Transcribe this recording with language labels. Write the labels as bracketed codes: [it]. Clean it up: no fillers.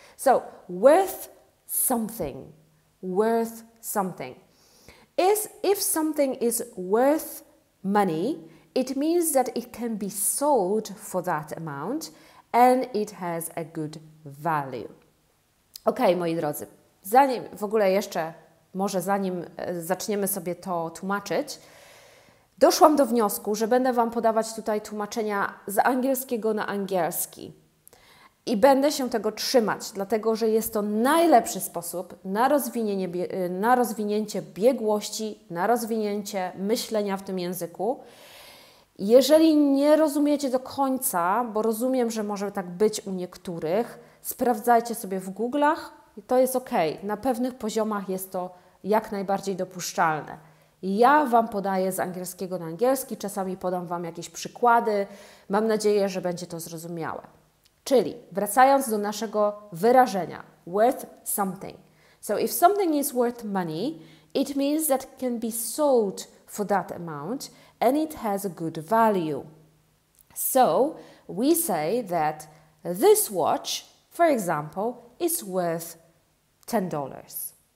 [en] So, worth something. Worth something. If something is worth money, it means that it can be sold for that amount and it has a good value. [pl] Okay, moi drodzy, zanim w ogóle jeszcze, może zanim zaczniemy sobie to tłumaczyć, doszłam do wniosku, że będę Wam podawać tutaj tłumaczenia z angielskiego na angielski i będę się tego trzymać, dlatego że jest to najlepszy sposób na rozwinięcie biegłości, na rozwinięcie myślenia w tym języku. Jeżeli nie rozumiecie do końca, bo rozumiem, że może tak być u niektórych, sprawdzajcie sobie w Google'ach i to jest ok. Na pewnych poziomach jest to jak najbardziej dopuszczalne. Ja Wam podaję z angielskiego na angielski, czasami podam Wam jakieś przykłady. Mam nadzieję, że będzie to zrozumiałe. Czyli wracając do naszego wyrażenia, worth something. [en] So if something is worth money, it means that can be sold for that amount and it has a good value. So we say that this watch, for example, is worth $10.